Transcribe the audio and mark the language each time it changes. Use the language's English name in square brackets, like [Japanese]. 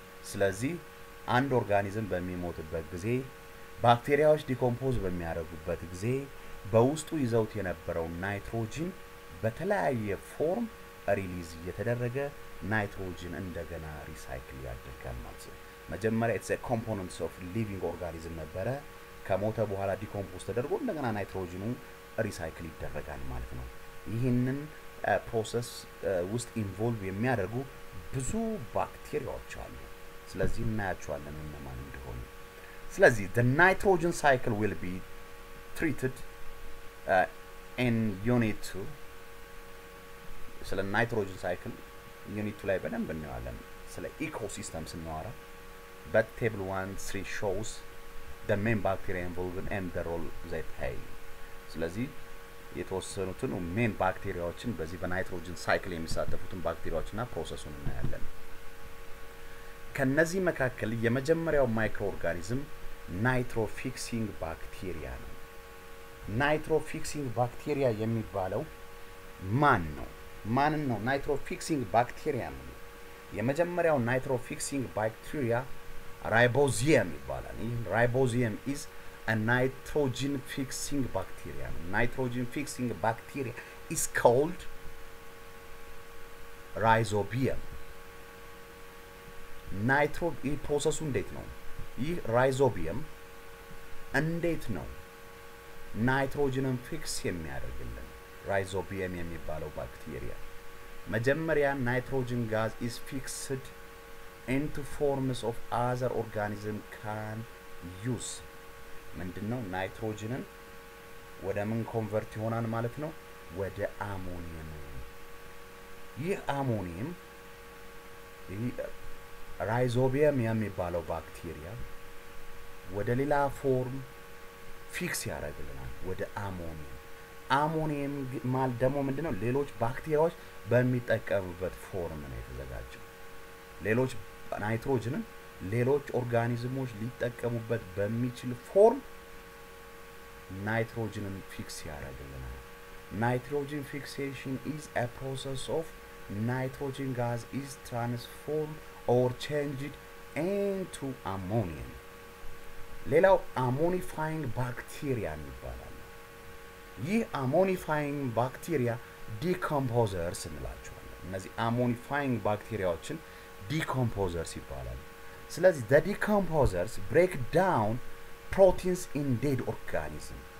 [Amharic] ስለዚህ አንድ ኦርጋኒዝም በሚሞትበት ጊዜ ባክቴሪያዎች ዲኮምፖዝ በሚያደርጉበት ጊዜ በውስጡ ይዘውት የነበረው ናይትሮጅን በተለያየ ፎርም ሪሊዝ እየተደረገ ናይትሮጅን እንደገና ሪሳይክል ያደርጋል ማለት ነው። መጀመሪያ [English] it's a component of living organism [Amharic] ነበረ ከሞተ በኋላ ዲኮምፖዝ ተደርጎ እንደገና ናይትሮጅኑ ሪሳይክል ይደረጋል ማለት ነው። ይሄንን ፕሮሰስ ውስጥ ኢንቮልቭ የሚያደርጉ ብዙ ባክቴሪያዎች አሉ። ስለዚህ እናያቸዋለን እነማን እንደሆኑ። ስለዚህ [English] the nitrogen cycle will be treated in unit 2. [Amharic] ስለ ናይትሮጅን ሳይክል ዩኒት 2 ላይ በደንብ እናያለን። ስለ ኢኮሲስተምስ እናወራ። [English] But table 1 3 shows the main bacteria involved and the role they play. [Amharic] ስለዚህ የተወሰኑትን main bacteriaዎችን በዚህ በናይትሮጅን ሳይክል የሚሳተፉትን ባክቴሪያዎችና ፕሮሰሱን እናያለን። ከነዚህ መካከል የመጀመሪያው ማይክሮ ኦርጋኒዝም ናይትሮ ፊክሲንግ ባክቴሪያ ነው። ናይትሮ ፊክሲንግ ባክቴሪያ የሚባለው ማን ነው? ማን ነው ናይትሮ ፊክሲንግ ባክቴሪያ ነው? የመጀመሪያው ናይትሮ ፊክሲንግ ባክቴሪያ ራይቦዚየም ይባላል። ይህ ራይቦዚየም [English] is a nitrogen fixing bacteria. Nitrogen fixing bacteria is called ራይዞቢየም። [Amharic] ናይትሮጅን ፕሮሰሱ እንዴት ነው? ይህ ራይዞቢየም እንዴት ነው ናይትሮጅንን ፊክስ የሚያደርግልን? ራይዞቢየም የሚባለው ባክቴሪያ መጀመሪያ ናይትሮጅን ጋዝ [English] is fixed into forms of other organism can use. [Amharic] ምንድነው ናይትሮጅንን ወደ ምን ኮንቨርት ይሆናል ማለት ነው? ወደ አሞኒየም። ይህ አሞኒየም ራይዞቢየም የሚባለው ባክቴሪያ ወደ ሌላ ፎርም ፊክስ ያደርግልናል፣ ወደ አሞኒየም። አሞኒየም ማለት ደግሞ ምንድነው? ሌሎች ባክቴሪያዎች በሚጠቀሙበት ፎርም ነው የተዘጋጀው። ሌሎች ናይትሮጅንን ሌሎች ኦርጋኒዝሞች ሊጠቀሙበት በሚችል ፎርም ናይትሮጅንን ፊክስ ያደርግልናል። ናይትሮጅን ፊክሴሽን [English] is a process of nitrogen gas is transformed or changed into ammonia. [Amharic] ሌላው [English] ammonifying bacteria ይባላል። ይህ ammonifying bacteria decomposers [Amharic] እንላቸዋለን። እነዚህ [English] ammonifying bacteriaዎችን decomposers [Amharic] ይባላል። ስለዚህ [English] the decomposers break down proteins in dead organism.